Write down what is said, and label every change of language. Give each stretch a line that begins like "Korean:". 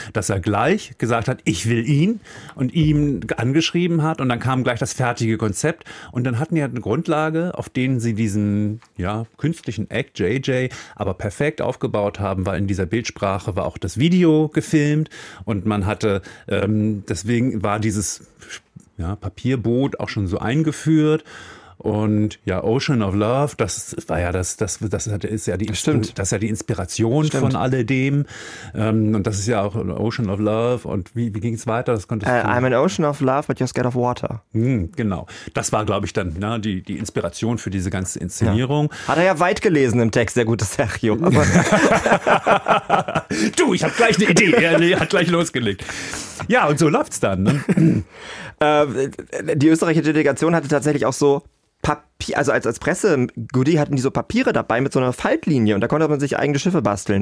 German: Dass er gleich gesagt hat, ich will ihn und ihm angeschrieben hat und dann kam gleich das fertige Konzept und dann hatten die halt eine Grundlage, auf denen sie diesen ja künstlichen Act JJ aber perfekt aufgebaut haben, weil in dieser Bildsprache war auch das Video gefilmt und man hatte, deswegen war dieses ja, Papierboot auch schon so eingeführt. Und ja, Ocean of Love, das war ja das ist ja die Inspiration. Stimmt. Von alledem. Und das ist ja auch Ocean of Love. Und wie ging es weiter? Das konntest du
English: I'm an ocean of love, but you're scared of water.
German: Genau. Das war, glaube ich, dann ne, die Inspiration für diese ganze Inszenierung. Ja. Hat er ja weit gelesen im Text, sehr gutes Sergio. Du, ich habe gleich eine Idee. Er hat gleich losgelegt. Ja, und so läuft's dann. Ne? Die österreichische Delegation hatte tatsächlich auch so Papier, also als Presse-Goodie hatten die so Papiere dabei mit so einer Faltlinie und da konnte man sich eigene Schiffe basteln.